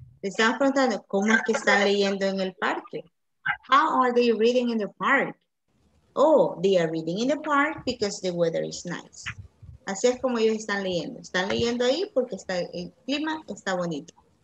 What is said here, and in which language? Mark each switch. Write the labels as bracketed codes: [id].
[es] Están preguntando, ¿cómo es que están leyendo en el parque? [en] How are they reading in the park? Oh, they are reading in the park because the weather is nice. [es] Así es como ellos están leyendo. Están leyendo ahí porque está el clima está bonito.